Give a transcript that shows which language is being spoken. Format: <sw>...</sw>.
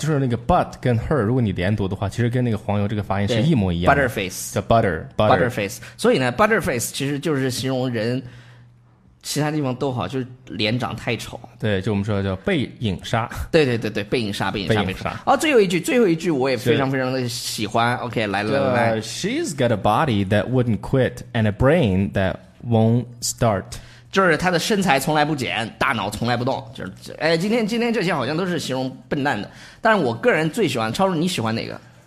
<zh>就是那个 but 跟 her 如果你连读的话其实跟那个黄油这个发音是一模一样</zh> <en>butter face 叫 butter, butter butter face</en> <zh>所以呢</zh> <en>butter face</en> <zh>其实就是形容人其他地方都好就是脸长太丑对就我们说叫背影杀对对对对背影杀、哦、最后一句我也非常非常的喜欢 OK 来</zh> <en>She's got a body that wouldn't quit and a brain that won't start</en> <zh>就是他的身材从来不减，大脑从来不动。就是，哎，今天这些好像都是形容笨蛋的。但是我个人最喜欢，超叔你喜欢哪个？</zh>